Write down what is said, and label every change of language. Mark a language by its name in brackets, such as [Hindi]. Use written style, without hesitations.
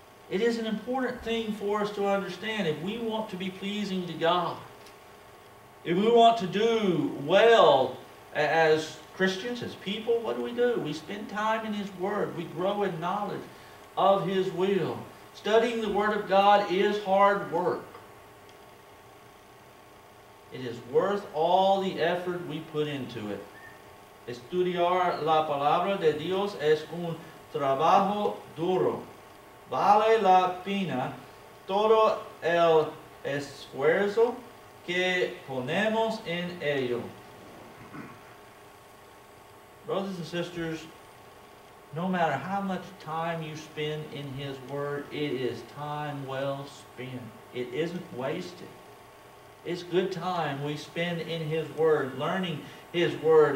[English] It is an important thing for us to understand. If we want to be pleasing to God, if we want to do well as Christians, as people, what do? We spend time in His Word. We grow in knowledge of His will. Studying the Word of God is hard work. It is worth all the effort we put into it. [Spanish] Estudiar la palabra de Dios es un trabajo duro. Vale la pena todo el esfuerzo que ponemos en ello. [English] Brothers and sisters, no matter how much time you spend in His Word, it is time well spent. It isn't wasted. It's good time we spend in His Word, learning His Word.